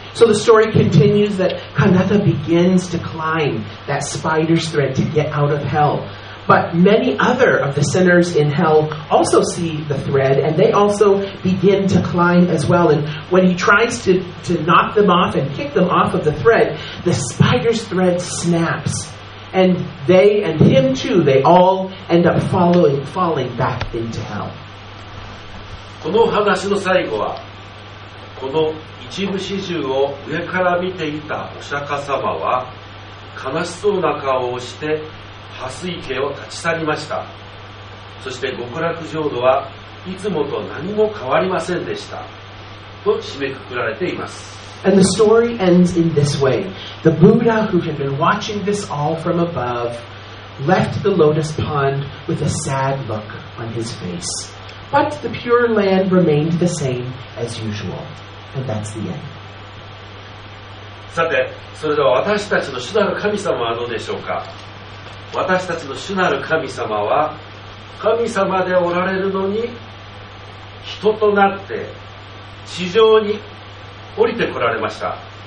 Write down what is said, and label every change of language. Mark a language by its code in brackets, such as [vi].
[en] So the story continues that Kandata begins to climb that spider's thread to get out of hell. But many other of the sinners in hell also see the thread, and they also begin to climb as well. And when he tries to knock them off and kick them off of the thread, the spider's thread snaps. And they and him too, they all end up falling back into hell. [ja] この話の最後は、この一部始終を上から見ていたお釈迦様は、悲しそうな顔をして、破水刑を立ち去りました。そして極楽浄土はいつもと何も変わりませんでしたと締めくくられています。 [en] And the story ends in this way. The Buddha, who had been watching this all from above, left the lotus pond with a sad look on his face. But the pure land remained the same as usual. And that's the end. [ja] さて、それでは私たちの主なる神様はどうでしょうか。私たちの主なる神様は神様でおられるのに人となって地上に降りてこられました。